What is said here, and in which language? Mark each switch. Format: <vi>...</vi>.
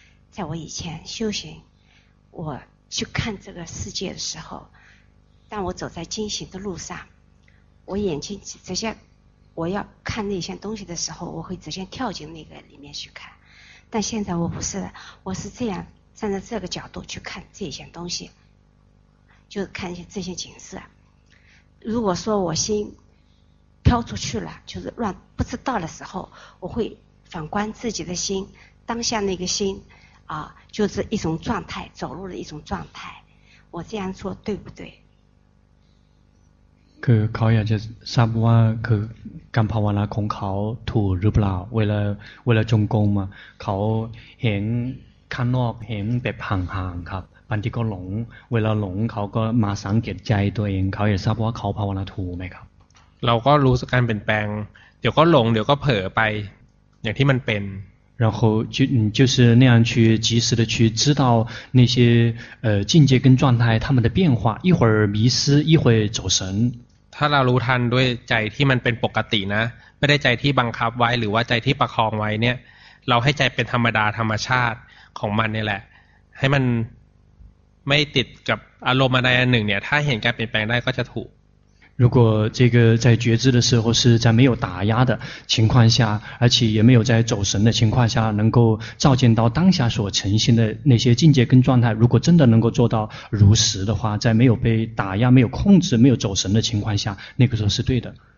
<zh>在我以前修行，我去看这个世界的时候，当我走在进行的路上，我眼睛直接我要看那些东西的时候，我会直接跳进那个里面去看，但现在我不是，我是这样站在这个角度去看这些东西，就看一些这些景色。如果说我心飘出去了，就是乱不知道的时候，我会反观自己的心，当下那个心啊，就是一种状态，走路的一种状态，我这样做对不对？</zh> <th>คือเขาอยากจะทราบว่าคือการภาวนาของเขาถูกหรือเปล่าเวลาจงกรมเขาเห็นข้างนอกเห็นแบบห่างๆครับบางทีก็หลงเวลาหลงเขาก็มาสังเกตใจตัวเองเขาอยากทราบว่าเขาภาวนาถูกไหมครับ เราก็รู้สึกการเปลี่ยนแปลงเดี๋ยวก็หลงเดี๋ยวก็เผลอไปอย่างที่มันเป็น</th> <zh>然后就是那样去及时的去知道那些境界跟状态它们的变化一会儿迷失一会儿走神</zh> <th>ถ้าเรารู้ทันด้วยใจที่มันเป็นปกตินะไม่ได้ใจที่บังคับไว้หรือว่าใจที่ประคองไว้เนี่ยเราให้ใจเป็นธรรมดาธรรมชาติของมันนี่แหละให้มันไม่ติดกับอารมณ์ใดอันหนึ่งเนี่ยถ้าเห็นการเปลี่ยนแปลงได้ก็จะถูก</th> <zh>如果这个在觉知的时候是在没有打压的情况下，而且也没有在走神的情况下，能够照见到当下所呈现的那些境界跟状态，如果真的能够做到如实的话，在没有被打压、没有控制、没有走神的情况下，那个时候是对的。</zh>